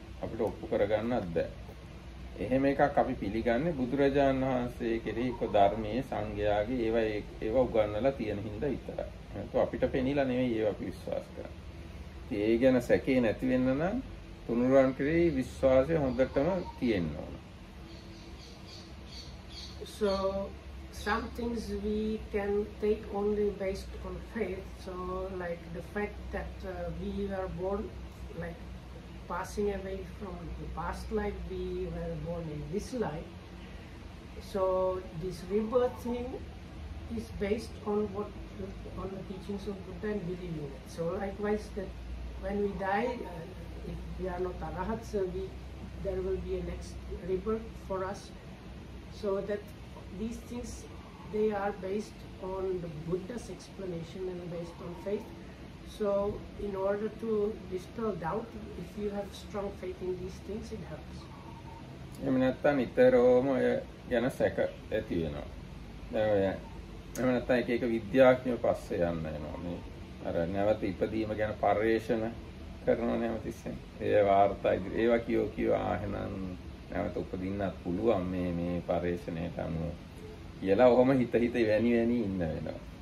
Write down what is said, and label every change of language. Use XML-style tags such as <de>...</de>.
<si>අපිට ඔප්පු කරගන්නත් බැ. එහෙම එකක් අපි පිළිගන්නේ බුදුරජාණන් වහන්සේ කෙරෙහි කො ධර්මයේ සංගයාගේ ඒවා උගන්වලා තියෙන හින්දා විතරයි. ඒක අපිට පෙනිලා නෙවෙයි ඒවා අපි විශ්වාස කරන්නේ. ඒ ගැන සැකේ නැති වෙන්න නම් තුනුරන් කෙරෙහි විශ්වාසය හොඳටම තියෙන්න ඕන.</si> <en>So some things we can take only based on faith. So like the fact that we are born like passing away from the past life, we were born in this life. So this rebirth thing is based on what on the teachings of Buddha and believe in it. So likewise that when we die, if we are not arahats, there will be a next rebirth for us. So that these things, they are based on the Buddha's explanation and based on faith. So in order to dispel doubt, if you have strong faith in these things, it helps.</en> <si>එහෙම නැත්නම් නිතරම ඔය ගැන සැක ඇති වෙනවා. දැන් ඔය එහෙම නැත්නම් එක එක විද්‍යාඥයෝ පස්සේ යන්න එනවා. මේ අර නැවත ඉපදීම ගැන පර්යේෂණ කරනවනේ හැම තිස්සෙම. ඒ වාර්තා ඉදිරි ඒවා කියෝ කියෝ ආහෙනම් නැවත උපදින්නත් පුළුවන් මේ මේ පර්යේෂණයට අනුව කියලා ඔහොම හිත හිත වැනි වැනි ඉන්න වෙනවා.</si>